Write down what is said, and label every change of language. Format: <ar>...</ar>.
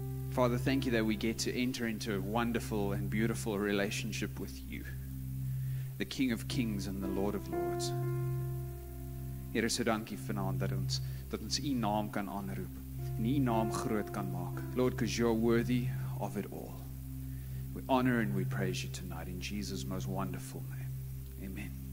<en>Father, thank you that we get to enter into a wonderful and beautiful relationship with you, the King of Kings and the Lord of Lords.</en> <af>Here is so dankie vanaand dat ons u naam kan aanroep en u naam groot kan maak.</af> <en>Lord, because you are worthy of it all. We honor and we praise you tonight in Jesus' most wonderful name. Amen.</en>